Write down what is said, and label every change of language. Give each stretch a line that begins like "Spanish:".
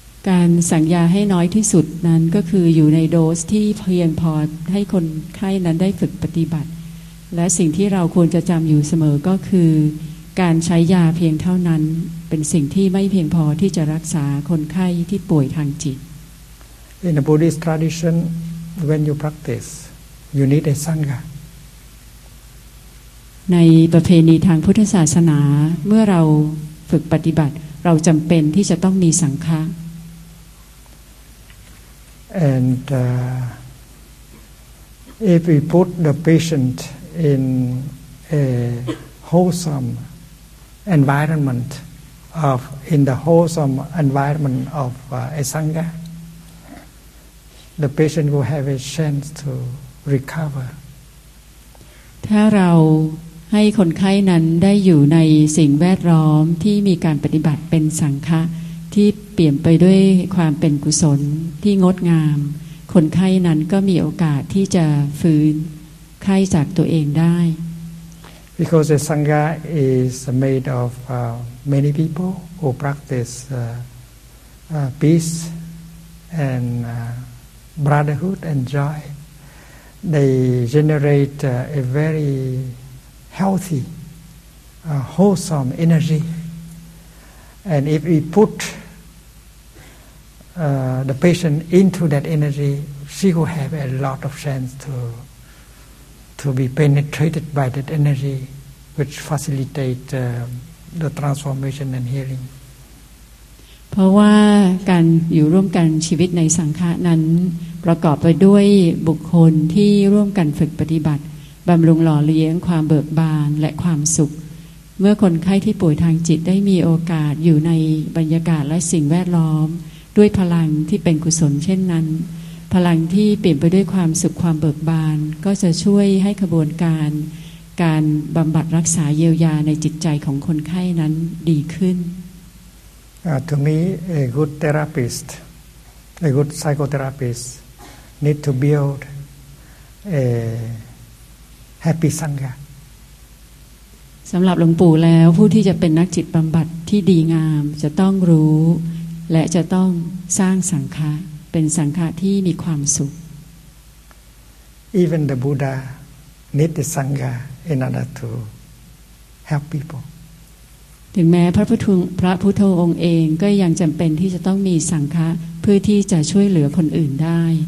Thai: การสั่งยาให้น้อยที่สุดนั้นก็คืออยู่ในโดสที่เพียงพอให้คนไข้นั้นได้ฝึกปฏิบัติและสิ่งที่เราควรจะจำอยู่เสมอก็คือการใช้ยาเพียงเท่านั้นเป็นสิ่งที่ไม่เพียงพอที่จะรักษาคนไข้ที่ป่วยทางจิต
English: In the Buddhist tradition when you practice you need a sangha
Thai: ในประเพณีทางพุทธศาสนาเมื่อเราฝึกปฏิบัติเราจำเป็นที่จะต้องมีสังฆะ
English: And if we put the patient in a wholesome environment, of in the wholesome environment of a sangha, the patient will have a chance to recover.
Thai: ถ้าเราให้คนไข้นั้นได้อยู่ในสิ่งแวดล้อมที่มีการปฏิบัติเป็นสังฆะที่เปี่ยมไปด้วยความเป็นกุศลที่งดงามคนไข้นั้นก็มีโอกาสที่จะฟื้นไข้จากตัวเองได้
English: Because the sangha is made of many people who practice peace and brotherhood and joy they generate a veryhealthy, wholesome energy. And if we put the patient into that energy, she will have a lot of chance to be penetrated by that energy, which facilitate the transformation and healing.
Thai: เพราะว่าการอยู่ร่วมกันชีวิตในสังฆะนั้นประกอบไปด้วยบุคคลที่ร่วมกันฝึกปฏิบัติบำรุงหล่อเลี้ยงความเบิกบานและความสุขเมื่อคนไข้ที่ป่วยทางจิตได้มีโอกาสอยู่ในบรรยากาศและสิ่งแวดล้อมด้วยพลังที่เป็นกุศลเช่นนั้นพลังที่เปลี่ยนไปด้วยความสุขความเบิกบานก็จะช่วยให้กระบวนการการบำบัดรักษาเยียวยาในจิตใจของคนไข้นั้นดีขึ้น
English: To me a good therapist a good psychotherapist need to build aHappy Sangha.
Thai: สำหรับหลวงปู่แล้วผู้ที่จะเป็นนักจิตบำบัดที่ดีงามจะต้องรู้และจะต้องสร้างสังฆะเป็นสังฆะที่มีความสุข
English: Even the Buddha need the Sangha in order to help people.
Thai: ถึงแม้พระพุทธองค์เองก็ยังจำเป็นที่จะต้องมีสังฆะเพื่อที่จะช่วยเหลือคนอื่นได้